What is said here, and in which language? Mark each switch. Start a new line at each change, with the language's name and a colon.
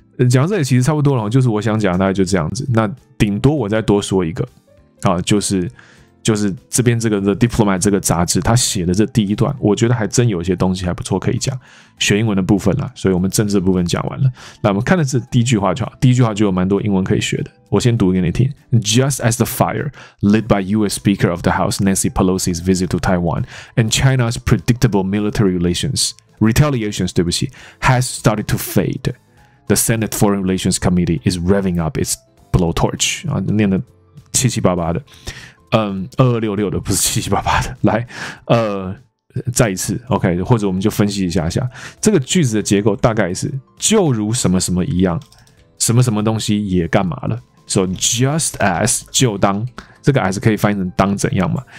Chinese: 讲到这里其实差不多了，就是我想讲大概就这样子。那顶多我再多说一个，啊，就是这边这个 The Diplomat 这个杂志，他写的这第一段，我觉得还真有些东西还不错可以讲，学英文的部分啦。所以我们政治的部分讲完了，那我们看的是第一句话就好，第一句话就有蛮多英文可以学的，我先读给你听。
English: Just as the fire lit by US Speaker of the House Nancy Pelosi's visit to Taiwan and China's predictable military retaliations,
Chinese: 对不起
English: has started to fade,The Senate Foreign Relations Committee is revving up its blowtorch.
Chinese: 啊，念的七七八八的，2266的不是七七八八的。来，再一次 ，OK， 或者我们就分析一下下这个句子的结构，大概是就如什么什么一样，什么什么东西也干嘛了。
English: So just as
Chinese: 就当这个 as 可以翻译成当怎样嘛？